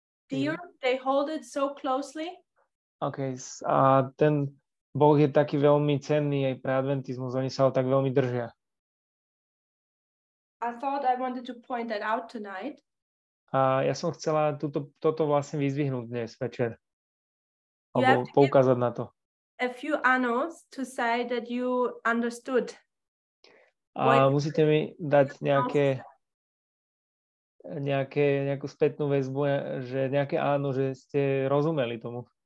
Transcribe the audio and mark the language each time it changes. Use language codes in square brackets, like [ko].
[en] dear, they hold it so closely. [sk] Okay, a ten Boh je taký veľmi cenný aj pre Adventizmus, oni sa ho tak veľmi držia. [en] I thought I wanted to point that out tonight. [sk] A ja som chcela toto vlastne vyzvihnúť dnes večer. Alebo poukázať na to. [en] A few anos to say that you understood. [sk] A musíte mi dať nejakú spätnú väzbu, že nejaké áno, že ste rozumeli tomu.